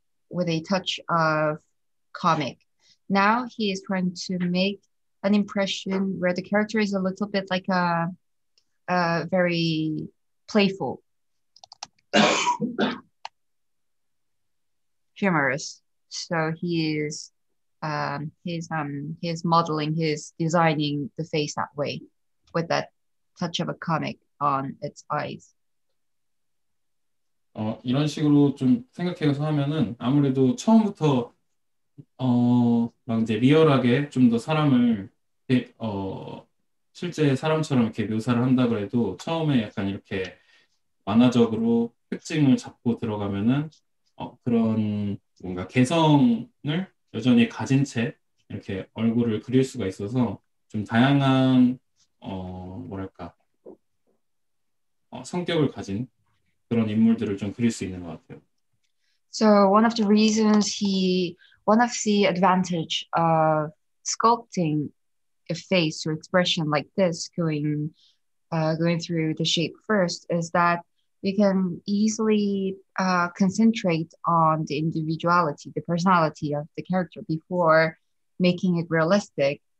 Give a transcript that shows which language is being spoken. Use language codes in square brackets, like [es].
[en] With a touch of comic. Now he is trying to make an impression where the character is a little bit like a very playful, humorous. So he is modeling, he's designing the face that way, with that touch of a comic on its eyes. [ko] 이런 식으로 좀 생각해서 하면은 아무래도 처음부터 막 이제 리얼하게 좀 더 사람을 실제 사람처럼 이렇게 묘사를 한다 그래도 처음에 약간 이렇게 만화적으로 특징을 잡고 들어가면은 그런 뭔가 개성을 여전히 가진 채 이렇게 얼굴을 그릴 수가 있어서 좀 다양한 뭐랄까 성격을 가진 그런 인물들을 좀 그릴 수 있는 것 같아요. [en] So one of the reasons one of the advantage of sculpting a face or expression like this going through the shape first is that you can easily concentrate on the individuality, the personality of the character before making it realistic.